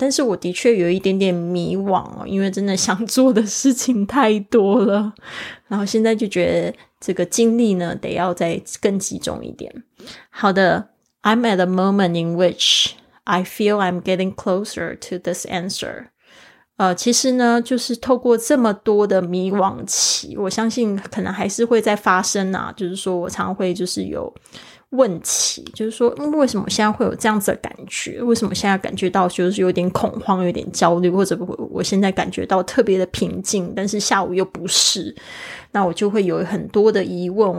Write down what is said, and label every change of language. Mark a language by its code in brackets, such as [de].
[zh] 但是我的确有一点点迷惘，因为真的想做的事情太多了，然后现在就觉得这个精力呢得要再更集中一点。好的， [en] I'm at a moment in which I feel I'm getting closer to this answer. [zh] 其实呢，就是透过这么多的迷惘期，我相信可能还是会在发生啊，就是说我常会就是有问题，就是说为什么现在会有这样子的感觉，为什么现在感觉到就是有点恐慌，有点焦虑，或者我现在感觉到特别的平静，但是下午又不是，那我就会有很多的疑问。